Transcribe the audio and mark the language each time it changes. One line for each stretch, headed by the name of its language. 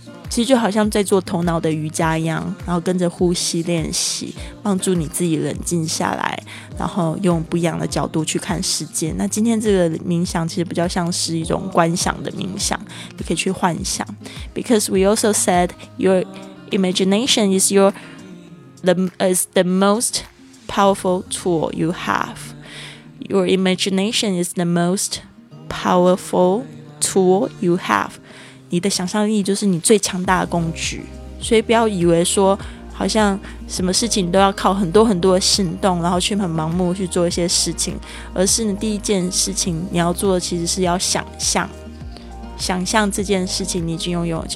Chinese: 其实就好像在做头脑的瑜伽一样，然后跟着呼吸练习，帮助你自己冷静下来，然后用不一样的角度去看世界。那今天这个冥想其实比较像是一种观想的冥想，你可以去幻想。
English: Because we also said your imagination is your is the most powerful tool you have. Your imagination is the most powerful tool you have.
Chinese: 你的想象力就是你最强大的工具，所以不要以为说好像什么事情都要靠很多很多的行动，然后去很盲目去做一些事情，而是你第一件事情你要做的其实是要想象，想象这件事情你已经拥有。